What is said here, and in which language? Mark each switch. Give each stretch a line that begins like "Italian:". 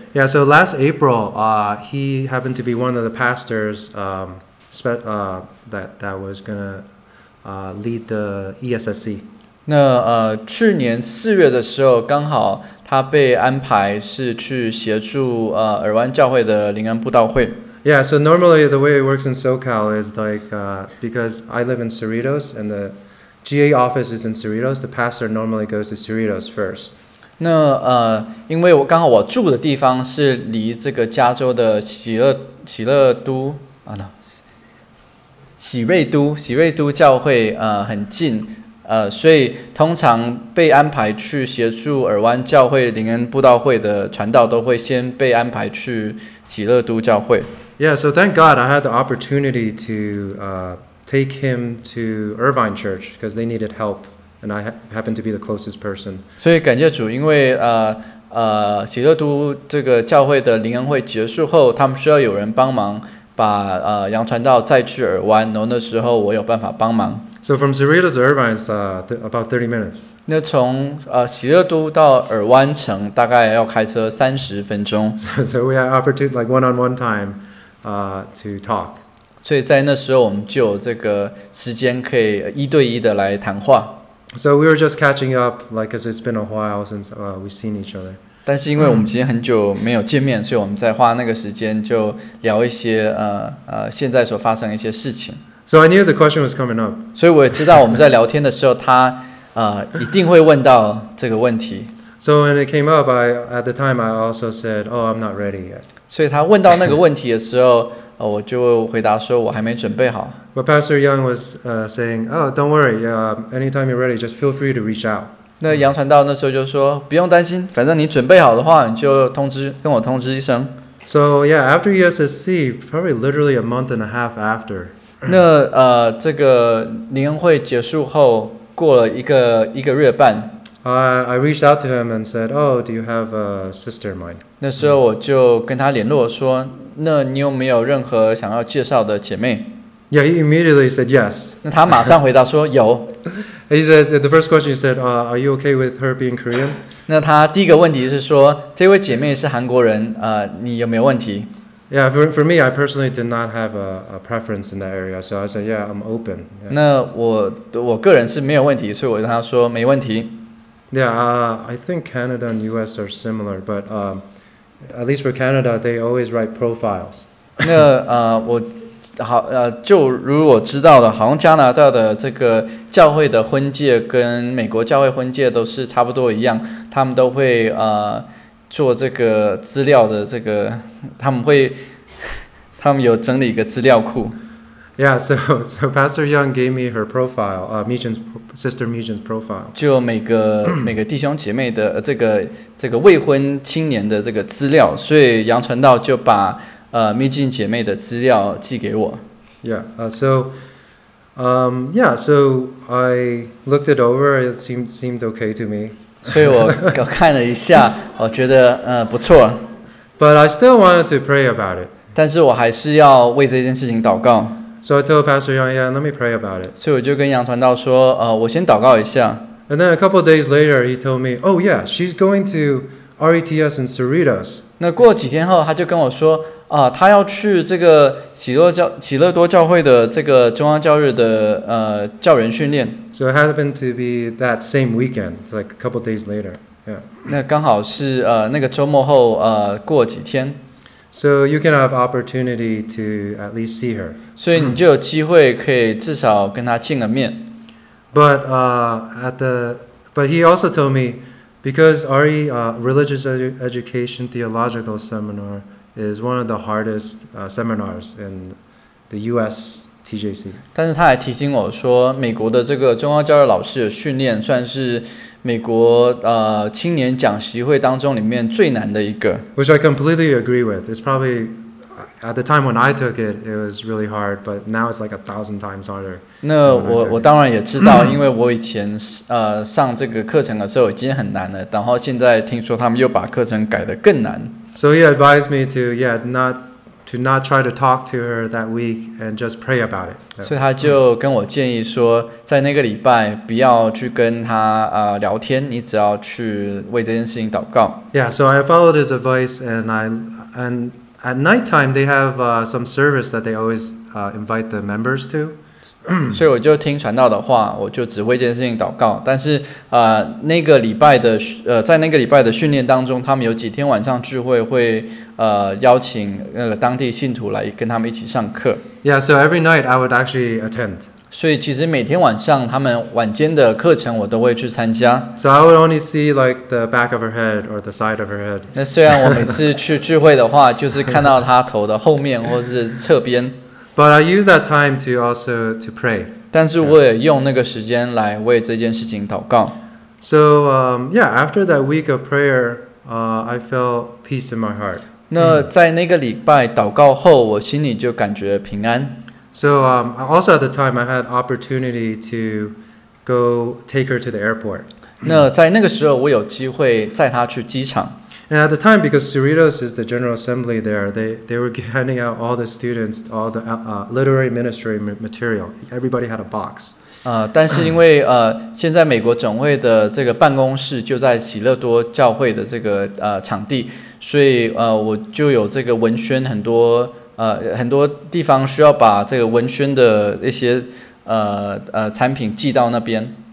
English: Yeah, so last April, he happened to be one of the pastors that was gonna lead the ESSC.
Chinese: 那去年四月的时候，刚好他被安排是去协助尔湾教会的灵恩布道会。
English: Yeah, so normally the way it works in SoCal is like because I live in Cerritos and the GA office is in Cerritos. The pastor normally goes to Cerritos first.
Chinese: 那因为我刚好我住的地方是离这个加州的喜瑞都教会很近，所以通常被安排去协助尔湾教会灵恩布道会的传道都会先被安排去喜乐都教会。
English: Yeah, so thank God I had the opportunity to take him to Irvine Church because they needed help, and I happened to be the closest person.
Chinese: 所以感谢主，因为喜乐都这个教会的灵恩会结束后，他们需要有人帮忙把杨传道载去尔湾，然后那时候我有办法帮忙。
English: So from Cerritos to Irvine is about 30 minutes.
Chinese: 那从喜乐都到尔湾城大概要开车30分钟。
English: So we had opportunity like one-on-one time, to talk.
Chinese: 所以在那时候我们就有这个时间可以一对一的来谈话。
English: So we were just catching up, like, because it's been a while since we've seen each other.
Chinese: 但是因为我们已经很久没有见面，所以我们在花那个时间就聊一些现在所发生一些事情。
English: So I knew the question was coming up.
Chinese: 所以我也知道我们在聊天的时候，他一定会问到这个问题。
English: So when it came up, I at the time I also said, "Oh, I'm not ready yet."
Chinese: 所以他问到那个问题的时候。我就回答说我还没准备好。
English: But Pastor Yang was saying, oh, don't worry, anytime you're ready, just feel free to reach out.
Chinese: 那杨传道那时候就说不用担心，反正你准备好的话，你就通知跟我通知一声。
English: So yeah, after ESSC, probably literally a month and a half after.
Chinese: 那这个灵恩会结束后，过了一个月半。
English: I reached out to him and said, "Oh, do you have a sister of mine?"
Chinese: 那时候我就跟他联络说，那你有没有任何想要介绍的姐妹？
English: Yeah, he immediately said yes.
Chinese: 那他马上回答说有。
English: He said the first question. He said, "Are you okay with her being Korean?"
Chinese: 那他第一个问题是说，这位姐妹是韩国人，你有没有问题？
English: Yeah, for me, I personally did not have a preference in that area, so I said, "Yeah, I'm open." Yeah.
Chinese: 那我个人是没有问题，所以我跟他说没问题。
English: Yeah, I think Canada and U.S. are similar, but at least for Canada, they always write profiles.
Chinese: 那我好就如我知道的，好像加拿大的这个教会的婚戒跟美国教会婚戒都是差不多一样，他们都会做这个资料的这个，他们有整理一个资料库。
English: Yeah, so Pastor Young gave me her profile, Mijin's, Sister Mijin's profile.
Chinese: 就每个弟兄姐妹的这个未婚青年的这个资料，所以杨传道就把Mijin 姐妹的资料寄给我。
English: Yeah, so I looked it over. It seemed okay to me.
Chinese: 所以我看了一下，我觉得不错。
English: But I still wanted to pray about it.
Chinese: 但是我还是要为这件事情祷告。
English: So I told Pastor Yang, yeah, let me pray about it.
Chinese: 所以我就跟杨传道说，我先祷告一下。
English: And then a couple of days later, he told me, oh yeah, she's going to RETS in Cerritos.
Chinese: 那过几天后，他就跟我说，他要去这个喜乐多教会的这个中央教日的教员训练。
English: So it happened to be that same weekend, like a couple of days later. Yeah.
Chinese: 那刚好是那个周末后过几天。
English: So you can have opportunity to at least see her.
Chinese: 所以你就有机会可以至少跟她见个面。
English: But he also told me, because RE, Religious Education Theological Seminar is one of the hardest seminars in the U.S. TJC.
Chinese: 但是他还提醒我说，美国的这个中央教育老师的训练算是美国青年讲习会当中里面最难的一个。
English: Which I completely agree with. It's probably at the time when I took it, it was really hard, but now it's like 1,000 times harder.
Chinese: 那我当然也知道，因为我以前上这个课程的时候已经很难了，然后现在听说他们又把课程改得更难。
English: So he advised me to not try to talk to her that week and just pray about it.
Chinese: 所以他就跟我建议说，在那个礼拜不要去跟他聊天，你只要去为这件事情祷告。
English: Yeah, so I followed his advice and at night time they have some service that they always invite the members to.
Chinese: 所以我就听传道的话，我就只为这件事情祷告。但是那个礼拜的在那个礼拜的训练当中，他们有几天晚上聚会会邀请当地信徒来跟他们一起上课。
English: Yeah, so every night I would actually attend.
Chinese: 所以其实每天晚上他们晚间的课程我都会去参加。
English: So I would only see like the back of her head or the side of her head.
Chinese: 那虽然我每次去聚会的话，就是看到她头的后面或是侧边。
English: But I use that time to also to pray.
Chinese: 但是我也用那个时间来为这件事情祷告。
English: So yeah, after that week of prayer, I felt peace in my heart.
Chinese: 那在那个礼拜祷告后，我心里就感觉平安。
English: So also at the time, I had opportunity to go take her to the airport.
Chinese: 那在那个时候，我有机会载她去机场。
English: And at the time, because Cerritos is the General Assembly there, they were handing out all the students, all the literary ministry material. Everybody had a box.
Chinese: 但是因为现在美国总会的这个办公室就在喜乐多教会的这个场地，所以我就有这个文宣很多很多地方需要把这个文宣的一些产品寄到那边。